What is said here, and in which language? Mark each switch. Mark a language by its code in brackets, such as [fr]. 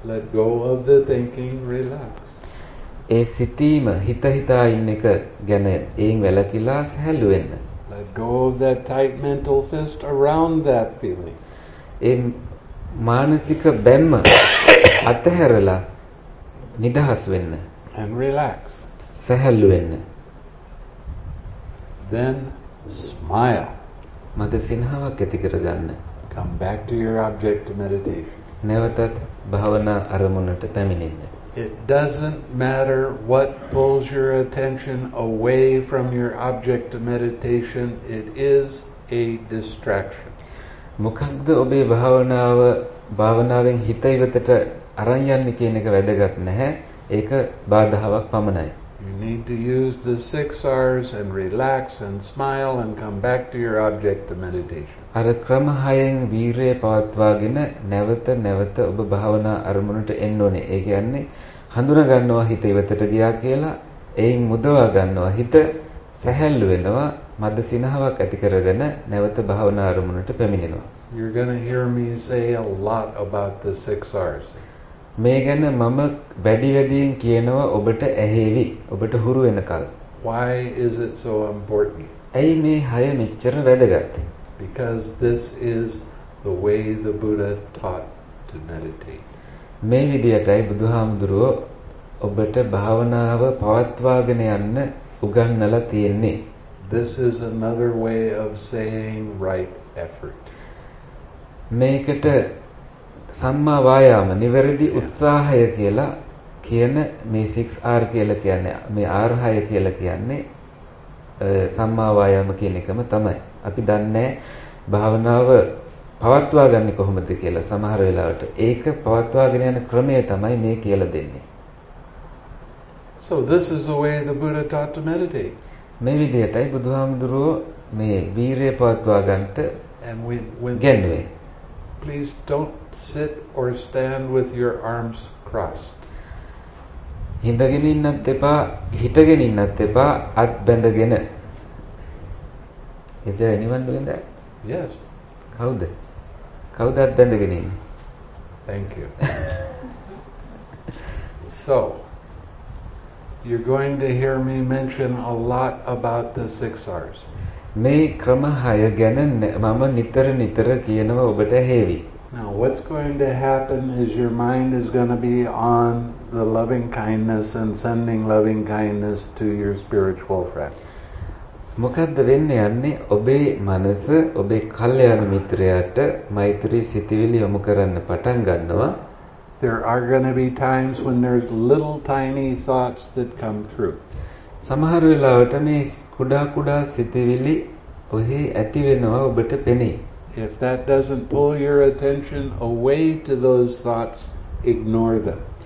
[en] let go of the thinking relax [si] ඒ සිතීම හිතා ඉන්න එක ගැන එයින් වැළකීලා සැහැල්ලු වෙන්න [en] Let go of that tight mental fist around that feeling. [si] ඒ මානසික බැම්ම අතහැරලා නිදහස් වෙන්න. [en] And relax. [si] සැහැල්ලු වෙන්න. [en] Then smile. [si] මද සිනහවක් ඇති කරගන්න. [en] Come back to your object of meditation. [si] නැවතත් භවනා අරමුණට පැමිණෙන්න. [en] It doesn't matter what pulls your attention away from your object of meditation, it is a distraction. [si] මොකක්ද ඔබේ භාවනාවෙන් හිත ඉවතට අරන් යන්නේ කියන එක වැදගත් නැහැ. ඒක බාධාවක් පමණයි. [en] You need to use the 6 hours and relax and smile and come back to your object of meditation. [si] අර ක්‍රම 6න් වීරය පවත්වාගෙන නැවත නැවත ඔබ භාවනා අරමුණට එන්න ඕනේ. ඒ කියන්නේ හඳුනා ගන්නවා හිත ඉවතට ගියා කියලා, එයින් මුදවා ගන්නවා හිත සැහැල්ලු වෙනවා, මද සිනහාවක් ඇති කරගෙන නැවත භාවනා අරමුණට පැමිණෙනවා. [en] You're going to hear me say a lot about the 6 hours. [si] මේ ගැන මම වැඩි වැඩියෙන් කියනවා ඔබට ඇහෙවි ඔබට හුරු වෙනකල්. [en] Why is it so important? [si] ඇයි මේ හය මෙච්චර වැදගත්? [en] Because this is the way the Buddha taught to meditate. [si] මේ විදියටයි බුදුහාමුදුරුව ඔබට භාවනාව පවත්වාගෙන යන්න උගන්වලා තියෙන්නේ. [en] This is another way of saying right effort. [si] මේකට සම්මා වායාම නිවැරදි උත්සාහය කියලා කියන මේ 6R කියලා කියන්නේ මේ R6 කියලා කියන්නේ සම්මා වායාම කියන එකම තමයි. අපි දන්නේ භාවනාව පවත්වා ගන්න කොහොමද කියලා සමහර වෙලාවට. ඒක පවත්වාගෙන යන ක්‍රමය තමයි මේ කියලා දෙන්නේ. [en] So this is the way the Buddha taught to meditate. [si] මේ විදිහටයි බුදුහාමුදුරුව මේ වීරිය පවත්වා ගන්නට ගැන්නේ. [en] Please don't sit or stand with your arms crossed. [si] හිඳගෙන ඉන්නත් එපා, හිටගෙන ඉන්නත් එපා, අත් බැඳගෙන. [en] Is there anyone doing that? Yes. [si] කවුද? කවුද අත් බැඳගෙන ඉන්නේ? [en] Thank you. So, you're going to hear me mention a lot about the 6 hours. [si] මේ ක්‍රම 6 ගැන මම නිතර කියනවා ඔබට හේවි. [en] Now what's going to happen is your mind is going to be on the loving kindness and sending loving kindness to your spiritual friend. [si] මොකද්ද වෙන්නේ යන්නේ ඔබේ මනස ඔබේ කල්යාණ මිත්‍රයාට මෛත්‍රී සිතිවිලි යොමු කරන්න පටන් ගන්නවා. [en] There are going to be times when there's little tiny thoughts that come through. [si] සමහර වෙලාවට මේ කුඩා කුඩා සිතිවිලි ඔහි ඇති වෙනවා ඔබට පෙනේ. [en] If that doesn't pull your attention away to those thoughts, ignore them.